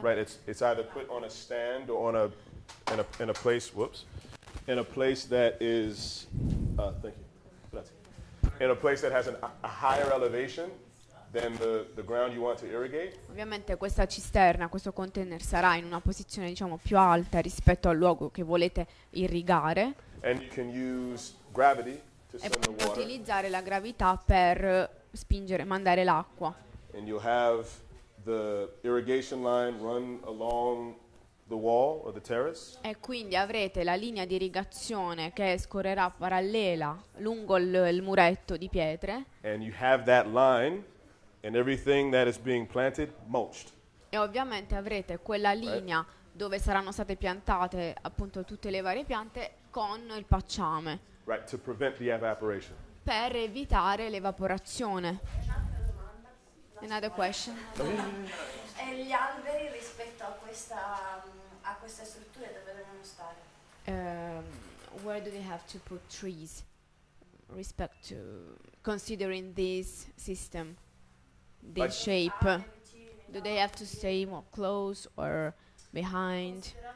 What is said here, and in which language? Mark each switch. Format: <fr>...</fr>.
<en>Right, it's either put on a stand or on a in a place, whoops, in a place that is thank you. In a place that has a higher elevation than the ground you want to irrigate.</en> <it>Ovviamente questa cisterna, questo container sarà in una posizione diciamo più alta rispetto al luogo che volete irrigare.</it> <en>And you can use gravity to send the water.</en> <it>E utilizzare la gravità per spingere, mandare l'acqua.</it> <en>And you have the irrigation line run along the wall or the terrace.</en> <it>E quindi avrete la linea di irrigazione che scorrerà parallela lungo il muretto di pietre.</it> <en>And you have that line and everything that is being planted mulched.</en> <it>E ovviamente avrete quella linea,</it> <en>right,</en> <it>dove saranno state piantate appunto tutte le varie piante con il pacciame.</it> <en>Right, to prevent the evaporation.</en> <it>Per evitare l'evaporazione.</it> <en>Another question.</en> <it>E gli alberi rispetto a queste strutture dove devono stare?</it> <en>Where do they have to put trees respect to considering this system, this like shape? Do they have to stay more close or behind?</en>